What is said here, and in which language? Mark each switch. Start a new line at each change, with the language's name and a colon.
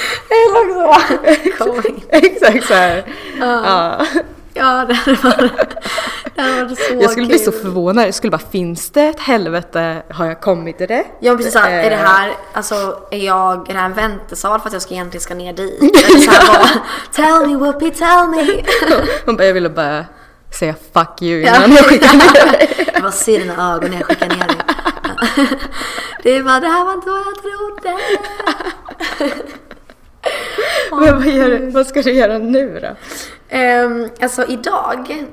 Swedish: Eller så. Kom in. Exakt så här. Ja, det var så jag skulle Bli så förvånad. Jag skulle bara, finns det ett helvete? Har jag kommit i det? Ja, precis. Är det här, alltså, är det här en väntesal för att jag ska egentligen ska ner dit? Eller så här,
English: tell me, Whoopi, tell me.
Swedish: Hon bara, jag ville bara säga fuck you innan jag skickar ner dig. Jag bara, se dina ögon när jag skickar ner dig. Det är bara, det här var inte vad jag trodde. Men vad ska du göra nu då? Alltså idag.